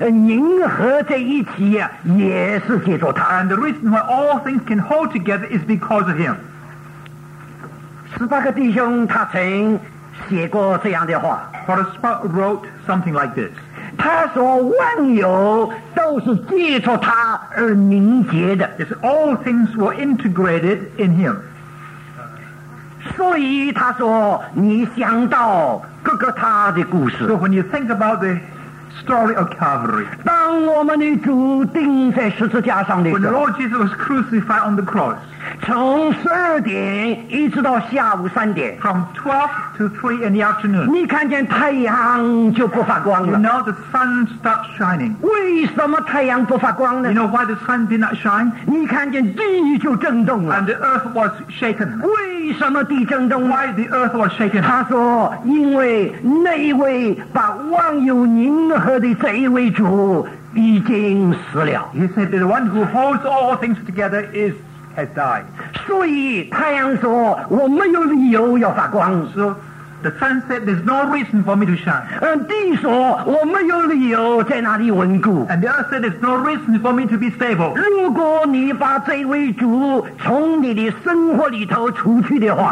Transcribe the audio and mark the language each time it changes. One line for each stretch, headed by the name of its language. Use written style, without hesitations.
Chinese: 并且这个万有能凝合在一起也是借着他,
English: and the reason why all things can hold together is because of him.
Chinese: 18个弟兄他曾写过这样的话,
English: Father Spock wrote something like this.
Chinese: 他说万有都是借着他而凝结的,
English: it's all things were integrated in him.
Chinese: 所以他说你想到哥哥他的故事,
English: so when you think about the story of Calvary,
Chinese: 当我们的主钉在十字架上的时候,
English: when the Lord Jesus was crucified on the cross,
Chinese: 从12点一直到下午3点,
English: from 12 to 3 in the afternoon,
Chinese: 你看见太阳就不发光了,
English: you know the sun stopped shining.
Chinese: 为什么太阳不发光呢?
English: You know why the sun did not shine?
Chinese: 你看见地就震动了,
English: and the earth was shaken.
Chinese: 为什么地震动?
English: Why the earth was shaken?
Chinese: 他说因为那一位把万有凝合的这一位主已经死了。
English: He said that the one who holds all things together is has died.
Chinese: 所以太阳说我没有理由要发光。
English: So the sun said there's no reason for me to shine.
Chinese: 地说我没有理由在哪里稳固。
English: And the earth said there's no reason for me to be stable.
Chinese: 如果你把这位主从你的生活里头除去的话，